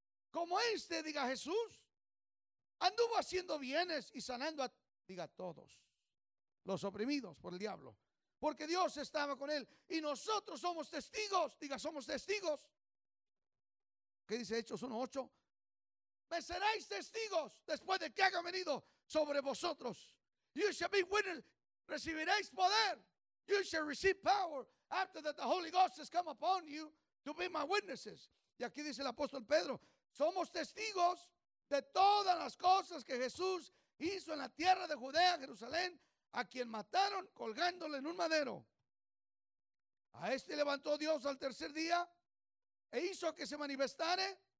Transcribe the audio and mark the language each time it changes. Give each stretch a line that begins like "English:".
Spanish: Como este, diga Jesús, anduvo haciendo bienes y sanando a, diga, todos los oprimidos por el diablo, porque Dios estaba con él. Y nosotros somos testigos, diga, somos testigos. ¿Qué dice Hechos 1:8? Me seréis testigos después de que haya venido sobre vosotros.
English: You shall be witnesses,
Spanish: recibiréis poder.
English: You shall receive power after that the Holy Ghost has come upon you to be my witnesses.
Spanish: Y aquí dice el apóstol Pedro, somos testigos de todas las cosas que Jesús hizo en la tierra de Judea, Jerusalén, a quien mataron colgándole en un madero. A este levantó Dios al tercer día e hizo que se manifestare.